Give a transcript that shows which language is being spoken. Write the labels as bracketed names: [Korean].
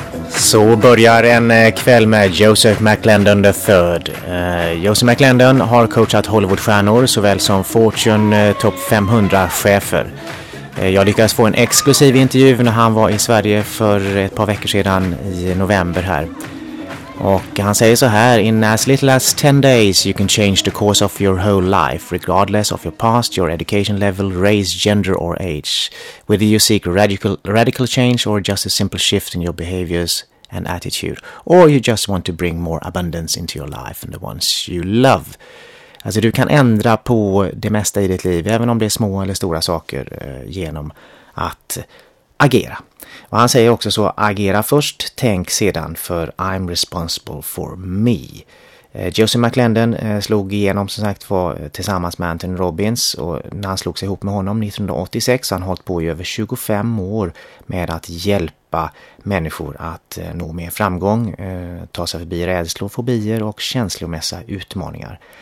[Swedish] Så börjar en kväll med Joseph McLendon III. Joseph McLendon har coachat Hollywoodstjärnor såväl som Fortune Top 500-chefer. Jag lyckades få en exklusiv intervju när han var i Sverige för ett par veckor sedan i november här. Och han säger så här: [English] in as little as 10 days you can change the course of your whole life, regardless of your past, your education level, race, gender or age. Whether you seek radical change or just a simple shift in your behaviors and attitude, or you just want to bring more abundance into your life and the ones you love. [Swedish] Alltså, du kan ändra på det mesta i ditt liv, även om det är små eller stora saker, genom att agera. Och han säger också så, agera först, tänk sedan, för [English] I'm responsible for me. [Swedish] Josie McLendon slog igenom som sagt tillsammans med Anthony Robbins, och när han slog sig ihop med honom 1986 så han hållit på i över 25 år med att hjälpa människor att nå mer framgång, ta sig förbi rädslor, fobier och känslomässiga utmaningar.